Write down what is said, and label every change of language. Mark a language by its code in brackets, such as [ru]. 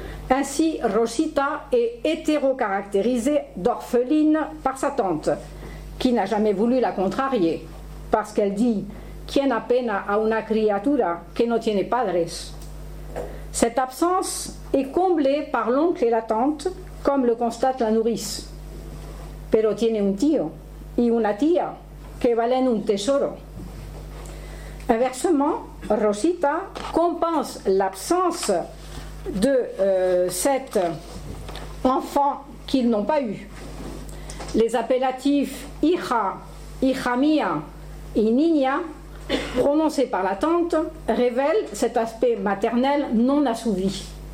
[fr] Ainsi, Rosita est hétérocaractérisée d'orpheline par sa tante, qui n'a jamais voulu la contrarier, parce qu'elle dit « [es] Quien apena a una criatura que no tiene padres [fr] ?» Cette absence est comblé par l'oncle et la tante, comme le constate la nourrice. [es] Pero tiene un tío y una tía que valen un tesoro. [fr] Inversement, Rosita compense l'absence de cet enfant qu'ils n'ont pas eu. Les appellatifs hija, hija mía et niña, prononcés par la tante, révèlent cet aspect maternel non assouvi.